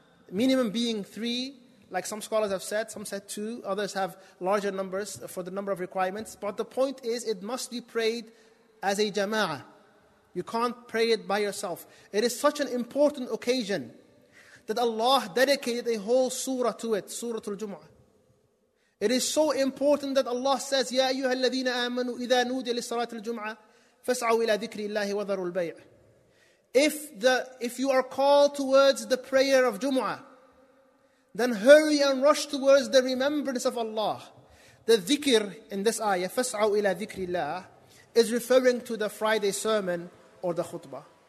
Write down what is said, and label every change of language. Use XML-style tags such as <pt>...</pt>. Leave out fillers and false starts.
<en>Minimum being three, like some scholars have said. Some said two. Others have larger numbers for the number of requirements. But the point is, it must be prayed as a jama'ah. You can't pray it by yourself. It is such an important occasion that Allah dedicated a whole surah to it, Surah Al-Jum'ah.</en> <ar>It is so important that Allah says, يَا أَيُّهَا الَّذِينَ آمَنُوا إِذَا نُودِيَ لِلصَّلَاةِ الْجُمْعَةِ فَاسْعَوْا إِلَىٰ ذِكْرِ اللَّهِ وَذَرُوا الْبَيْعِ.</ar> <en>If you are called towards the prayer of Jum'ah, then hurry and rush towards the remembrance of Allah. The dhikr in this ayah,</en> <ar>فَاسْعَوْا إِلَىٰ ذِكْرِ اللَّهِ,</ar> <en>is referring to the Friday sermon or the khutbah.</en>